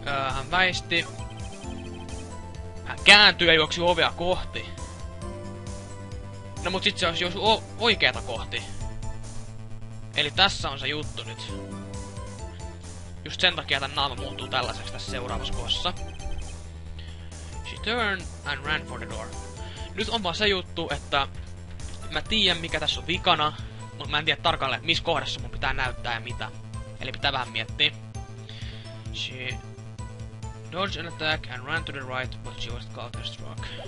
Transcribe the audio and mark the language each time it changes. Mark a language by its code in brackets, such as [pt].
[fi] Hän väisti. Hän kääntyi ja juoksi ovea kohti. No mut sit se olisi oikeeta kohti. Eli tässä on se juttu nyt. Just sen takia tän naama muuttuu tällaiseksi tässä seuraavassa kohdassa. [en] She turned and ran for the door. [fi] Nyt on vaan se juttu, että mä tiedän mikä tässä on vikana, mut mä en tiedä tarkalleen, missä kohdassa mun pitää näyttää ja mitä. Eli pitää vähän miettiä. [en] She dodged an attack and ran to the right, but she was counterstruck.